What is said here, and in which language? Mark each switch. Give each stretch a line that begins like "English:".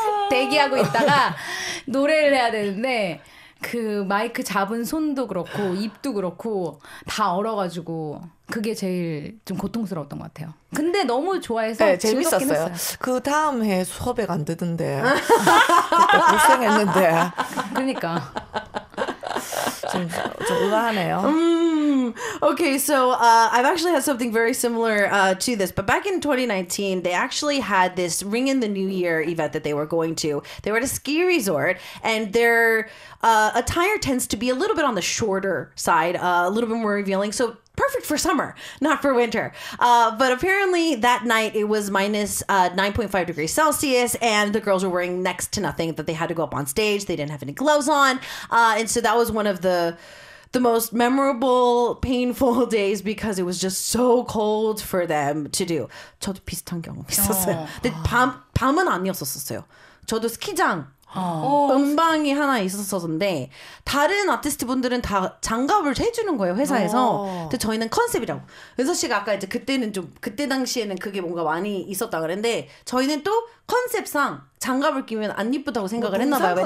Korean: 대기하고 있다가 노래를 해야 되는데 그 마이크 잡은 손도 그렇고 입도 그렇고 다 얼어가지고 그게 제일 좀 고통스러웠던 것 같아요. 근데 너무 좋아해서 네, 재밌었어요. 그 다음 해 수업에가 안 되던데 불쌍했는데. 그러니까 좀 의아하네요.
English: Okay, so I've actually had something very similar to this. But back in 2019, they actually had this Ring in the New Year event that they were going to. They were at a ski resort, and their attire tends to be a little bit on the shorter side, a little bit more revealing. So perfect for summer, not for winter. But apparently that night it was minus 9.5 degrees Celsius, and the girls were wearing next to nothing that they had to go up on stage. They didn't have any gloves on. And so that was one of the most memorable, painful days because it was just so cold for them to do.
Korean: 저도 비슷한 경험 있었어요. 근데 밤은 아니었었어요. 저도 스키장 음방이 하나 있었었는데 다른 아티스트분들은 다 장갑을 해주는 거예요, 회사에서. 근데 저희는 컨셉이라고. 은서 씨가 아까 이제 그때는 좀 그때 당시에는 그게 뭔가 많이 있었다 그랬는데 저희는 또 컨셉상 장갑을 끼면 안 이쁘다고 생각을 했나 봐요.